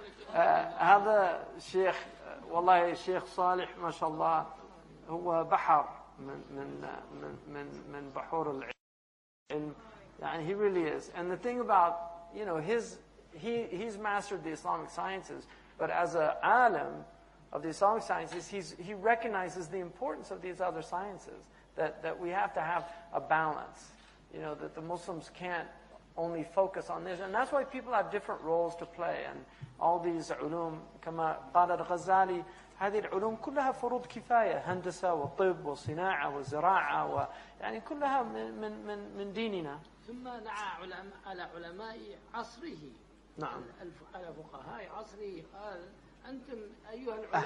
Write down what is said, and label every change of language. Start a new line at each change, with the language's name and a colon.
Arabic: هذا شيخ والله شيخ صالح ما شاء الله هو بحر من من من من بحور العلم.
English: يعني he really is. And the thing about, you know, he's mastered the Islamic sciences, but as a alim of the Islamic sciences, he recognizes the importance of these other sciences. That we have to have a balance, you know, that the Muslims can't only focus on this. And that's why people have different roles to play. And all these ulum,
Arabic: kama qala al-Ghazali, هذه العلوم كلها فروض كفاية, هندسة وطب وصناعة وزراعة و يعني كلها من من من ديننا. ثم نعى علماء على علماء عصره. نعم. على فقهاء عصره قال أنتم أيها العلماء